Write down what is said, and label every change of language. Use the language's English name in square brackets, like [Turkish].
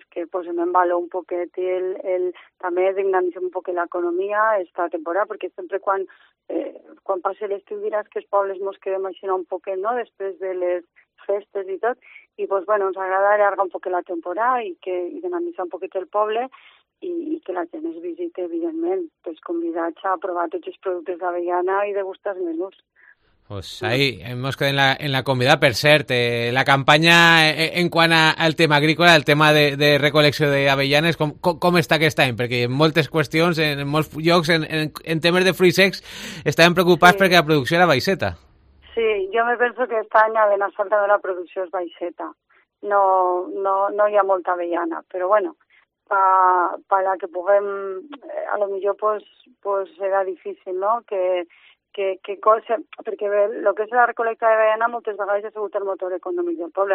[Catalan] posem en valor un poquet i el també dignanitzem un poquet l'economia esta temporada, perquè sempre quan passa l'estiu diràs que els pobles mos quedem així un poquet, no?, després de les festes i tot, i pues, bueno, ens agrada allargar un poquet la temporada i dignanitzar un poquet el poble i que la gent es visite, evidentment, pues convidats a provar tots els productes d'avellana i de gustar menús. [Spanish] Pues ahí hemos quedado en la comida. [Catalan] Per cert, [Spanish] la campaña en cuanto al tema agrícola, al tema de recolección de avellanes, ¿cómo está que está? [Catalan] Porque en moltes cuestiones, en molts llocs, en temas de fruits secs, estaven preocupats perquè la producció era baixeta. Sí, jo me penso que este any a Benassal també la producció és baixeta. No hi ha molta avellana, però bueno, [Spanish] para que [Catalan] puguem, a lo millor pues era difícil, ¿no?, que cosa, perquè el que és la recolecta de avellana moltes vegades ha sigut el motor econòmic del poble.